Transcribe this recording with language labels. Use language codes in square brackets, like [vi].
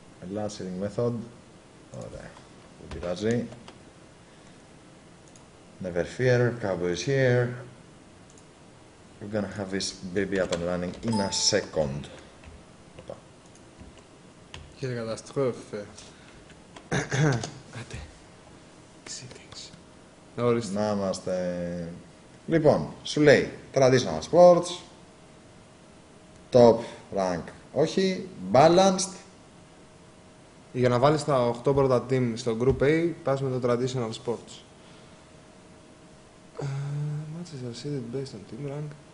[el] Ελά, seeding method. Ωραία. Δεν πειράζει. [en] Never fear, Cowboy is here. We're gonna have this baby up and running in a second. [fr] Quelle catastrophe. [el] Άντε. Ξήτηξ. Να ορίστε. Να είμαστε. Λοιπόν, σου λέει, traditional sports, top rank, όχι, balanced. Για να βάλεις τα 8 πρώτα team στο group A, πας με το traditional sports. [en] Matches are seeded based on team rank.